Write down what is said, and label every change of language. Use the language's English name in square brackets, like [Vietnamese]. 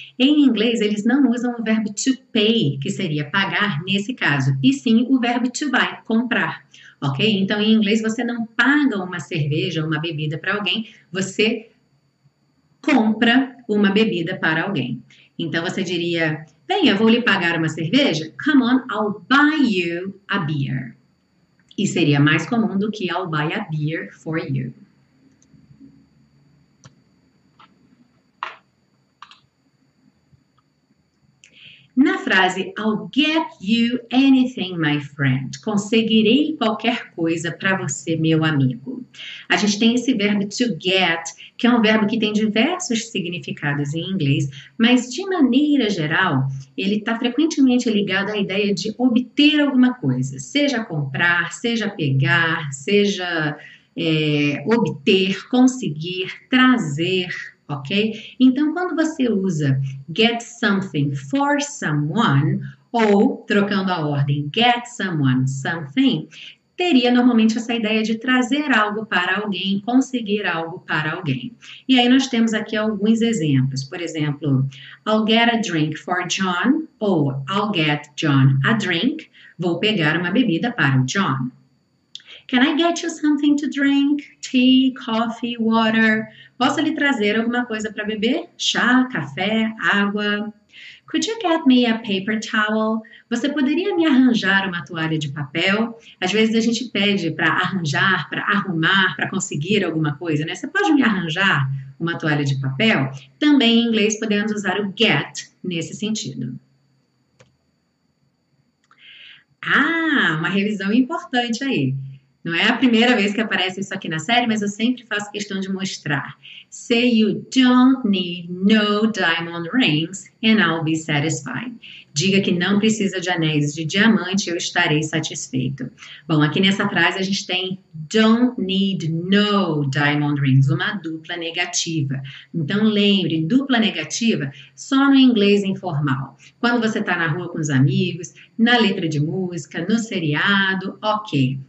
[Portuguese] Em inglês eles não usam o verbo to pay, que seria pagar nesse caso, e sim o verbo to buy, comprar. Ok? Então, em inglês, você não paga uma cerveja ou uma bebida para alguém, você compra uma bebida para alguém. Então, você diria: bem, eu vou lhe pagar uma cerveja? [English] Come on, I'll buy you a beer. [Portuguese] E seria mais comum do que [English] I'll buy a beer for you. [Portuguese] Na frase [English] I'll get you anything, my friend. [Portuguese] Conseguirei qualquer coisa para você, meu amigo. A gente tem esse verbo to get, que é um verbo que tem diversos significados em inglês, mas de maneira geral, ele está frequentemente ligado à ideia de obter alguma coisa, seja comprar, seja pegar, seja obter, conseguir, trazer. Ok? Então, quando você usa [English] get something for someone, [Portuguese] ou trocando a ordem, [English] get someone something, [Portuguese] teria normalmente essa ideia de trazer algo para alguém, conseguir algo para alguém. E aí nós temos aqui alguns exemplos. Por exemplo, [English] I'll get a drink for John, [Portuguese] ou [English] I'll get John a drink, [Portuguese] vou pegar uma bebida para o John. [English] Can I get you something to drink? Tea, coffee, water. [Portuguese] Posso lhe trazer alguma coisa para beber? Chá, café, água. [English] Could you get me a paper towel? [Portuguese] Você poderia me arranjar uma toalha de papel? Às vezes a gente pede para arranjar, para arrumar, para conseguir alguma coisa, né? Você pode me arranjar uma toalha de papel? Também em inglês podemos usar o get nesse sentido. Ah, uma revisão importante aí. Não é a primeira vez que aparece isso aqui na série, mas eu sempre faço questão de mostrar. [English] Say you don't need no diamond rings and I'll be satisfied. [Portuguese] Diga que não precisa de anéis de diamante, eu estarei satisfeito. Bom, aqui nessa frase a gente tem [English] don't need no diamond rings, [Portuguese] uma dupla negativa. Então lembre, dupla negativa só no inglês informal. Quando você está na rua com os amigos, na letra de música, no seriado, ok.